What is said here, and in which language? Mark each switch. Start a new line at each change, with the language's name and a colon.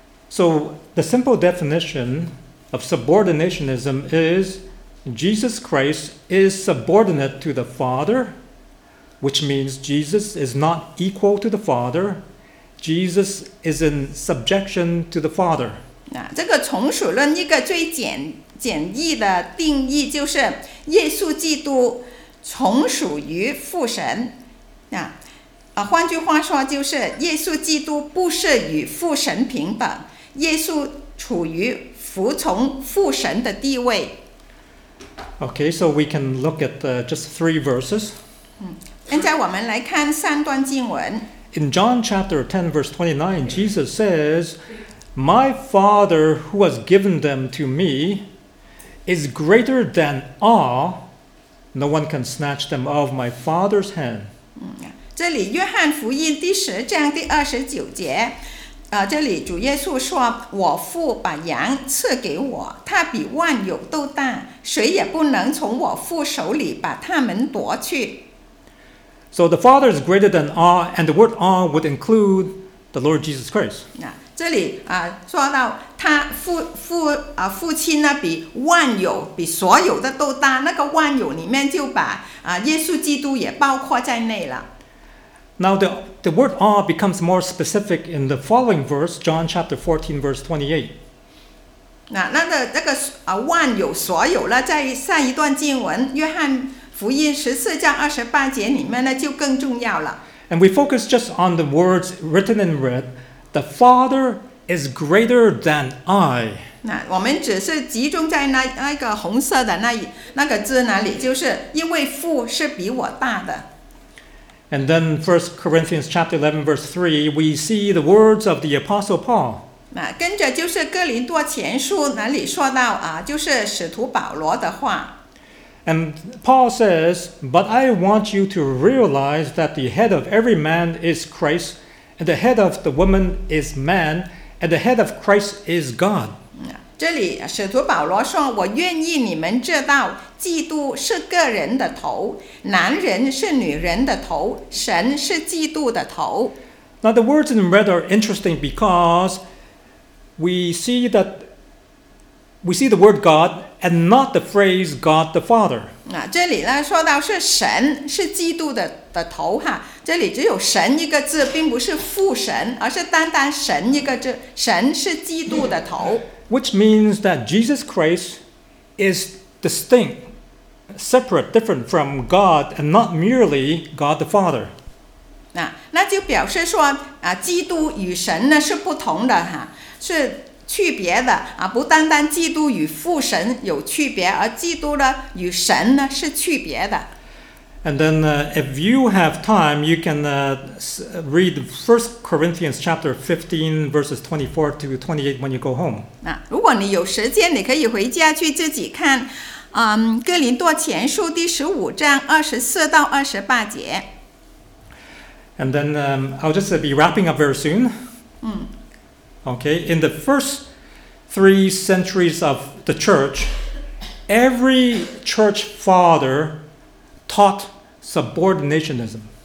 English: So the simple definition of subordinationism is Jesus Christ is subordinate to the Father. Which means Jesus is not equal to the Father. Jesus is in subjection to the Father.
Chinese: 这个从属论一个最简易的定义就是耶稣基督从属于父神。换句话说就是耶稣基督不是与父神平等，耶稣处于服从父神的地位。
English: Okay, so we can look at just three verses.
Chinese: 现在我们来看三段经文。
English: In John chapter 10 verse 29, Jesus says, My Father who has given them to me is greater than all. No one can snatch them out of my Father's hand.
Chinese: 这里约翰福音第十章第二十九节，这里主耶稣说，我父把羊赐给我，他比万有都大，谁也不能从我父手里把他们夺去。
English: So the Father is greater than all, and the word all would include the Lord Jesus Christ.
Chinese: 这里说到他 父亲呢比万有比所有的都大，那个万有里面就把耶稣基督也包括在内了。
English: Now the word all becomes more specific in the following verse, John chapter 14 verse 28.
Chinese: 那个万有所有呢，在上一段经文约翰福音十四章二十八节里面呢就更重要了。
English: And we focus just on the words written in red, the Father is greater than I.
Chinese: 那我们只是集中在 那个红色的 那个字那里，就是因为父是比我大的。
English: And then 1 Corinthians chapter 11 verse 3, we see the words of the Apostle Paul.
Chinese: 那跟着就是哥林多前书那里说到就是使徒保罗的话。
English: And Paul says, but I want you to realize that the head of every man is Christ, and the head of the woman is man, and the head of Christ is God.
Chinese: 这里使徒保罗说，我愿意你们知道，基督是个人的头，男人是女人的头，神是基督的头。
English: Now the words in red are interesting because we see the word God and not the phrase God the Father.
Chinese: 这里呢说到是神是基督 的头哈，这里只有神一个字，并不是父神，而是单单神一个字，神是基督的头。
English: Which means that Jesus Christ is distinct, separate, different from God and not merely God the Father.
Chinese: 那就表示说基督与神呢是不同的哈，是区别的不单单基督与父神有区别，而基督呢与神呢是区别的。
English: And then if you have time, you can read 1 Corinthians chapter 15 verses 24 to 28 when you go home.
Chinese: 如果你有时间，你可以回家去自己看哥林多前书第十五章二十四到二十八节。
English: And then I'll just be wrapping up very soon. Okay, in the first three centuries of the church, every church father taught subordinationism.